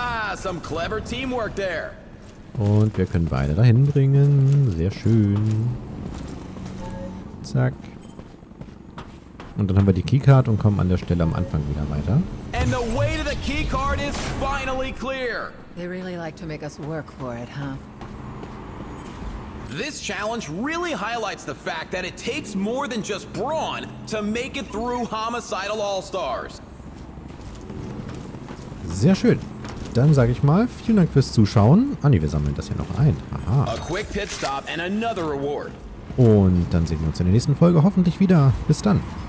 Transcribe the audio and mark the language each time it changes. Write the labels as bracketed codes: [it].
[en] Ah, some clever teamwork there. [de] Und wir können beide dahin bringen. Sehr schön. Zack. Und dann haben wir die Keycard und kommen an der Stelle am Anfang wieder weiter. [en] And the way to the keycard is finally clear. They really like to make us work for it, huh? This challenge really highlights the fact that it takes more than just brawn to make it through Homicidal All-Stars. [de] Sehr schön. Dann sage ich mal, vielen Dank fürs Zuschauen. Ah nee, wir sammeln das hier noch ein. Aha. [en] A quick pit stop and another reward. [de] Und dann sehen wir uns in der nächsten Folge hoffentlich wieder. Bis dann.